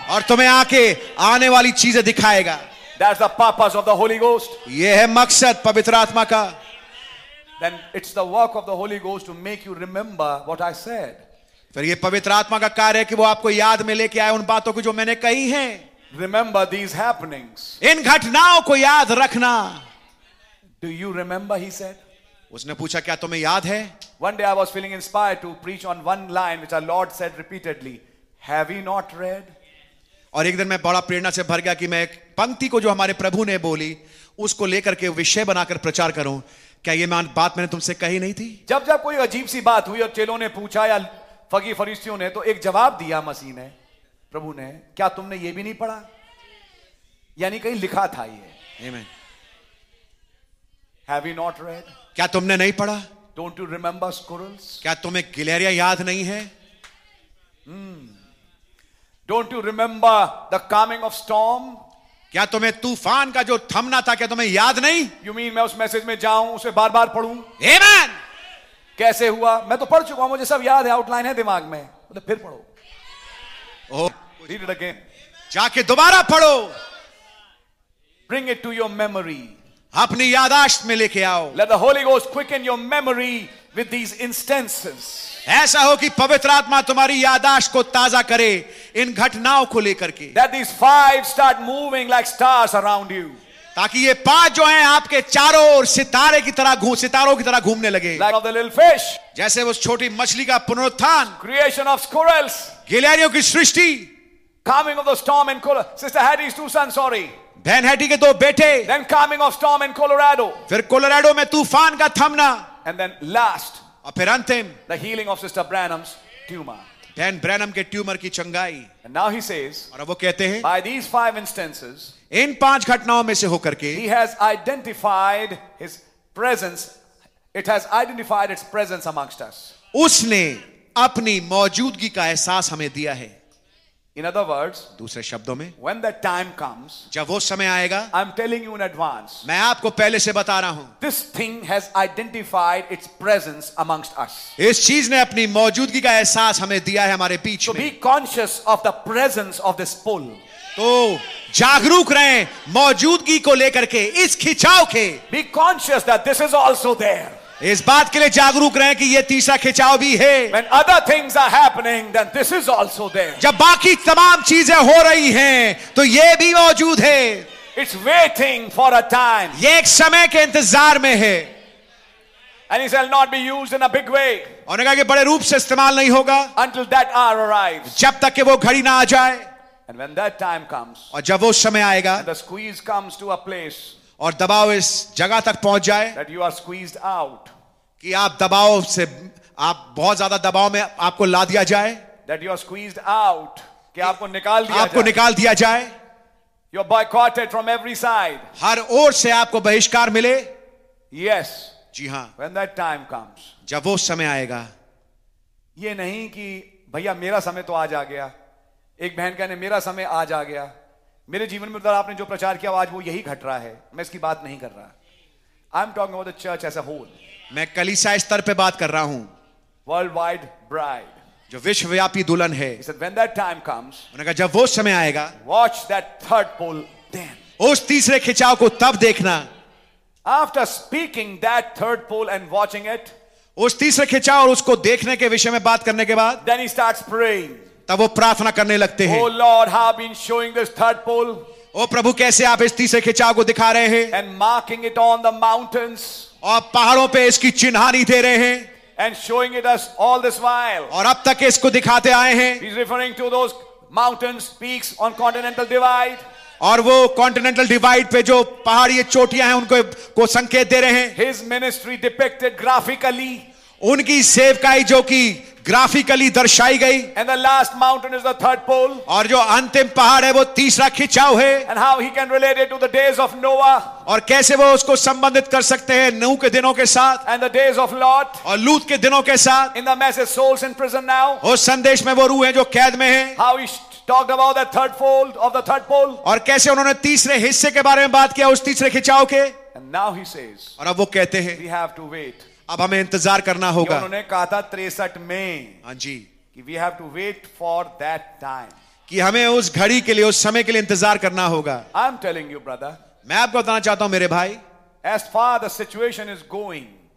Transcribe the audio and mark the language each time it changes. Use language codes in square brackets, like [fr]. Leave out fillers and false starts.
[hi] और तुम्हें आके आने वाली चीजें दिखाएगा. [en] That's the purpose of the Holy Ghost. [hi] ये है मकसद पवित्र आत्मा का. [en] then it's the work of the Holy Ghost to make you remember what I said. [hi] फिर ये पवित्र आत्मा का कार्य है कि वो आपको याद में लेके आए उन बातों को जो मैंने कही हैं. [en] Remember these happenings. [hi] इन घटनाओं को याद रखना. [en] Do you remember? He said. [hi] उसने पूछा क्या तुम्हें याद है? [en] One day I was feeling inspired to preach on one line which our Lord said repeatedly. Have you not read? [hi] और एक दिन मैं बड़ा प्रेरणा से भर गया कि मैं एक पंक्ति को जो हमारे प्रभु ने बोली उसको लेकर के विषय बनाकर प्रचार करूं. क्या ये बात मैंने तुमसे कही नहीं थी? जब जब कोई अजीब सी बात हुई और चेलों ने पूछा या फकीर फरीसियों ने, तो एक जवाब दिया मसीह ने, प्रभु ने, क्या तुमने ये भी नहीं पढ़ा? यानी कहीं लिखा था ये. [en] Amen. Have you not read? [hi] क्या तुमने नहीं पढ़ा? [en] Don't you remember squirrels? [hi] क्या तुम्हें गिलहरियां याद नहीं है? [en] Don't you remember the calming of storm? [hi] क्या तुम्हें तूफान का जो थमना था क्या तुम्हें याद नहीं? [en] You mean [hi] मैं उस मैसेज में जाऊं उसे बार बार पढ़ूं? [en] Amen. [hi] कैसे हुआ? मैं तो पढ़ चुका हूं, मुझे सब याद है, आउटलाइन है दिमाग में. तो फिर पढ़ो. [en] Read it again. [hi] जाके दोबारा पढ़ो. [en] Bring it to your memory. [hi] अपनी यादाश्त में लेके आओ. [en] Let the Holy Ghost quicken your memory with these instances. [hi] ऐसा हो कि पवित्र आत्मा तुम्हारी यादाश्त को ताजा करे इन घटनाओं को लेकर के. [en] That these five start moving like stars around you. [hi] ताकि ये पांच जो हैं आपके चारों ओर सितारे की तरह सितारों की तरह घूमने लगे. [en] Like of the little fish. [hi] जैसे उस छोटी मछली का पुनरुत्थान. [en] Creation of squirrels. [hi] गिलहरियों की सृष्टि. [en] Calming of the storm in Colorado. Sister Hattie's two sons, sorry. [hi] बहन हैटी के दो बेटे. [en] Then calming of storm in Colorado. [hi] फिर कोलोराडो में तूफान का थमना. [en] And then last. [hi] और फिर अंतिम. [en] The healing of Sister Branham's tumor. [hi] बहन ब्रैनम के ट्यूमर की चंगाई. [en] And now he says. [hi] और अब वो कहते हैं. [en] By these five instances. [hi] इन पांच घटनाओं में से होकर के. [en] He has identified his presence. It has identified its presence amongst us. [hi] उसने अपनी मौजूदगी का एहसास हमें दिया है. [en] In other words, [hi] दूसरे शब्दों में, [en] when that time comes, [hi] जब वो समय आएगा, [en] I'm telling you in advance, [hi] मैं आपको पहले से बता रहा हूं, [en] this thing has identified its presence amongst us. [hi] इस चीज ने अपनी मौजूदगी का एहसास हमें दिया है हमारे बीच. [en] So be conscious of the presence of this pull. [hi] तो जागरूक रहें मौजूदगी को लेकर के, इस खिंचाव के. [en] Be conscious that this is also there. [hi] इस बात के लिए जागरूक रहें कि यह तीसरा खिंचाव भी है. [en] When other things are happening, then this is also there. [hi] जब बाकी तमाम चीजें हो रही हैं, तो यह भी मौजूद है. [en] It's waiting for a time. [hi] यह एक समय के इंतजार में है. [en] And it shall not be used in a big way. [hi] और ने कहा कि बड़े रूप से इस्तेमाल नहीं होगा. [en] Until that hour arrives. [hi] जब तक कि वो घड़ी ना आ जाए. [en] And when that time comes. [hi] और जब वो समय आएगा. [en] And the squeeze comes to a place. [hi] और दबाव इस जगह तक पहुंच जाए. [en] That you are squeezed out. [hi] कि आप दबाव से, आप बहुत ज्यादा दबाव में आपको ला दिया जाए. [en] That you are squeezed out. [hi] कि आपको निकाल दिया, आपको निकाल दिया जाए. [en] You are boycotted from every side. [hi] हर ओर से आपको बहिष्कार मिले. [en] Yes. [hi] जी हाँ. [en] When that time comes. [hi] जब वो समय आएगा. ये नहीं कि भैया मेरा समय तो आज आ गया. एक बहन कहने मेरा समय आज आ गया. मेरे जीवन में उधर आपने जो प्रचार किया आज वो यही घट रहा है. मैं इसकी बात नहीं कर रहा. [en] I am talking about the church as a whole. [hi] मैं कलीसिया स्तर पे बात कर रहा हूं. [en] world wide bride, [hi] जो विश्वव्यापी दुल्हन है. [en] He said, when that time comes, [hi] उन्हें कहा जब वो समय आएगा. [en] Watch that third pull then. [hi] उस तीसरे खिंचाव को तब देखना. [en] After speaking that third pull and watching it. [hi] उस तीसरे खिंचाव और उसको देखने के विषय में बात करने के बाद. [en] Then he starts praying. [hi] तब वो प्रार्थना करने लगते हैं. [en] Oh Lord, have been showing this third pole. [hi] ओ प्रभु, कैसे आप इस तीसरे खिंचाव को दिखा रहे हैं. [en] And marking it on the mountains. [hi] और पहाड़ों पे इसकी चिन्हानी दे रहे हैं. [en] And showing it us all this while. [hi] और अब तक इसको दिखाते आए हैं. [en] He's referring to those mountains peaks on continental divide. [hi] और वो कॉन्टिनेंटल डिवाइड पे जो पहाड़ी चोटियां हैं उनको को संकेत दे रहे हैं. [en] His ministry depicted graphically. [hi] उनकी सेवकाई जो की ग्राफिकली दर्शाई गई. [en] And the last mountain is the third pull. [hi] और जो अंतिम पहाड़ है वो तीसरा खिंचाव है. [en] And how he can relate it to the days of Noah. [hi] और कैसे वो उसको संबंधित कर सकते हैं नूह के दिनों के साथ. [en] And the days of Lot. [hi] और लूत के दिनों के साथ. [en] In the message souls in prison now. [hi] उस संदेश में वो रूह है जो कैद में है. [en] How he talked about the third fold of the third pull. [hi] और कैसे उन्होंने तीसरे हिस्से के बारे में बात किया उस तीसरे खिंचाव के. [en] And now he says. [hi] और अब वो कहते हैं. [en] We have to wait. [hi] अब हमें इंतजार करना होगा. उन्होंने कहा था 63 में. हाँ जी. कि [en] we have to wait for that time. [hi] कि हमें उस घड़ी के लिए, उस समय के लिए इंतजार करना होगा. [en] I'm telling you, brother, [hi] मैं आपको बताना चाहता हूं मेरे भाई. [en] As far the situation is going,